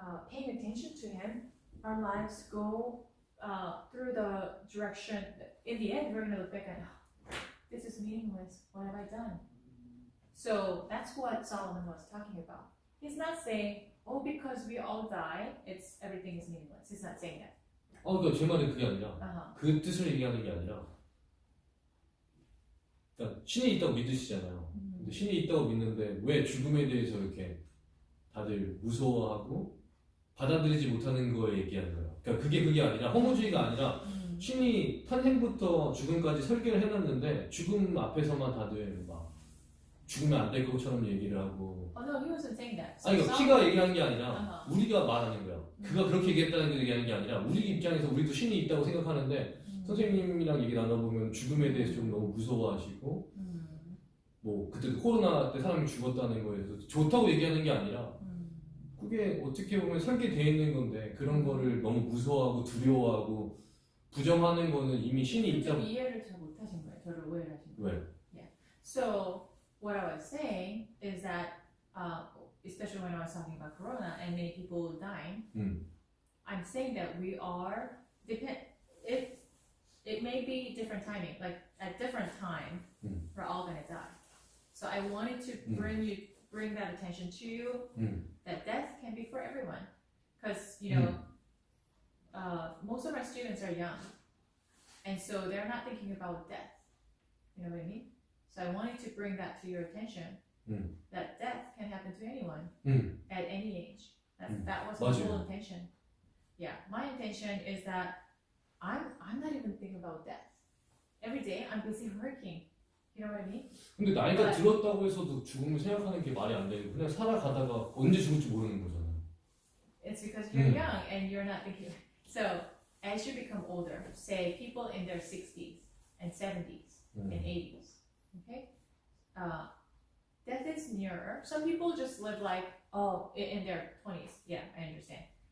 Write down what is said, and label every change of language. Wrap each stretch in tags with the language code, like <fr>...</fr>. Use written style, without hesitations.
<en>paying attention to him, our lives go through the direction that in the end we're going to look back and, oh, this is meaningless. What have I done? So that's what Solomon was talking about. He's not saying, oh, because we all die, it's everything is meaningless. He's not saying that.</en> <ko>그러니까 제 말은 그게 아니라 그 뜻을 얘기하는 게 아니라 그러니까 신이 있다고 믿으시잖아요. 근데 신이 있다고 믿는데 왜 죽음에 대해서 이렇게 다들 무서워하고 받아들이지 못하는 거에 얘기하는 거예요. 그러니까 그게 아니라 허무주의가 아니라 신이 탄생부터 죽음까지 설계를 해놨는데 죽음 앞에서만 다들 막 죽으면 안 될 것처럼 얘기를 하고</ko> <en>no, he wasn't saying that. So</en> <ko>아니, 그러니까 키가 얘기한 게 아니라 우리가 말하는 거예요. 그가 그렇게 얘기했다는 게 얘기하는 게 아니라 우리 입장에서 우리도 신이 있다고 생각하는데 선생님이랑 얘기 나눠보면 죽음에 대해서 좀 너무 무서워하시고 뭐 그때 코로나 때 사람이 죽었다는 거에서 좋다고 얘기하는 게 아니라 그게 어떻게 보면 설계되어 있는 건데 그런 거를 너무 무서워하고 두려워하고 부정하는 거는 이미 신이 있다고 이해를 잘 못하신 거예요. 저를 오해하신 거예요. 왜?</ko> <en>Yeah. So what I was saying is that especially when I was talking about Corona and many people dying, I'm saying that we are it may be different timing, like at different time, we're all gonna die. So I wanted to bring that attention to you that death can be for everyone, because you know most of our students are young, and so they're not thinking about death. You know what I mean? So I wanted to bring that to your attention. That death can happen to anyone at any age. That was my whole intention. Yeah, my intention is that I'm not even thinking about death. Every day I'm busy working. You know what I mean?</en> <ko>근데 나이가 들었다고 해서도 죽음을 생각하는 게 말이 안 돼. 그냥 살아가다가 언제 죽을지 모르는 거잖아.</ko> <en>It's because you're young and you're not thinking. So as you become older, say people in their 60s and 70s and 80s, okay? Death is nearer. Some people just live like, oh, in their 20s. Yeah, I understand.</en>